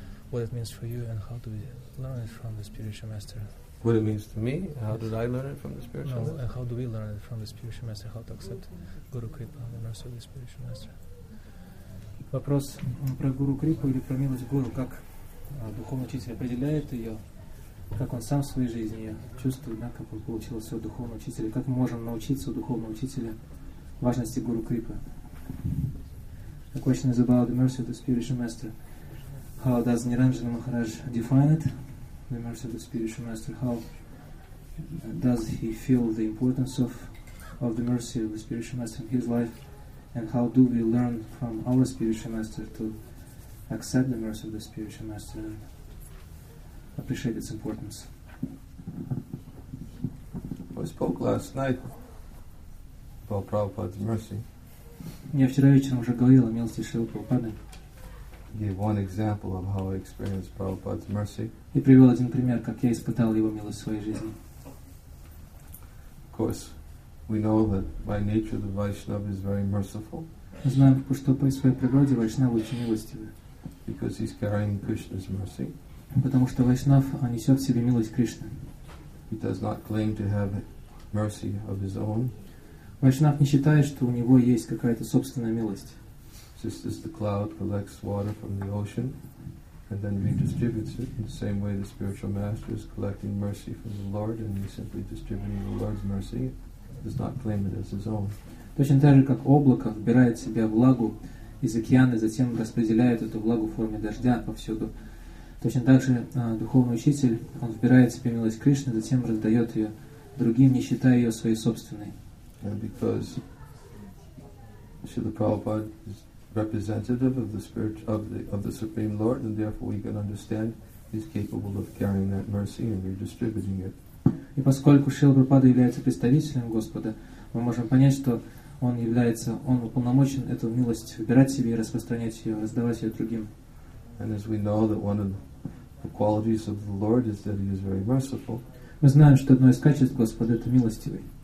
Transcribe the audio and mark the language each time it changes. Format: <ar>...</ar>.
<en>What it means for you, and how do we learn it from the spiritual master? What it means to me? How did I learn it from the spiritual master? And how do we learn it from the spiritual master? How to accept Guru Kripa, the mercy of the spiritual master?</en> <ru>Вопрос про Guru Kripa или про милость Guru. Как духовный учитель определяет ее? Как он сам в своей жизни чувствует, да, как он получил все духовного учителя, как мы можем научиться у духовного учителя важности Гуру Крипы.</ru> <en>The question is about the mercy of the spiritual master. How does Niranjana Maharaj define it, the mercy of the spiritual master? How does he feel the importance of the mercy of the spiritual master in his life? And how do we learn from our spiritual master to accept the mercy of the spiritual master? Appreciate its importance. We spoke last night about Prabhupada's mercy.</en> <ru>Я вчера вечером уже говорил о милости Шрилы Прабхупады.</ru> <en>Gave one example of how I experienced Prabhupada's mercy.</en> <ru>И привел один пример, как я испытал его милость в своей жизни.</ru> <en>Of course, we know that by nature the Vaishnava is very merciful.</en> <ru>Мы знаем, что по своей природе Вайшнава очень милостивый.</ru> <en>Because he's carrying Krishna's mercy.</en> <ru>Потому что Вайшнав несет в себе милость Кришны.</ru> <en>He does not claim to have mercy of his own.</en> <ru>Вайшнав не считает, что у него есть какая-то собственная милость.</ru> <en>Just as the cloud collects water from the ocean and then redistributes it, in the same way the spiritual master is collecting mercy from the Lord and he's simply distributing the Lord's mercy, does not claim it as his own.</en> <ru>Точно так же, как облако вбирает в себя влагу из океана и затем распределяет эту влагу в форме дождя повсюду. Точно так же духовный учитель, он вбирает в себе милость Кришны, затем раздает ее другим, не считая ее своей собственной.</ru> <en>And because Srila Prabhupada is representative of the spirit of the Supreme Lord, and therefore we can understand he's capable of carrying that mercy and redistributing it.</en> <ru>И поскольку Шрила Прабхупада является представителем Господа, мы можем понять, что он уполномочен эту милость вбирать в себе и распространять ее, раздавать ее другим.</ru> <en>And as we know that one of the qualities of the Lord is that he is very merciful.</en> <ru>Мы знаем, что одно из качеств Господа — это милостивый.</ru>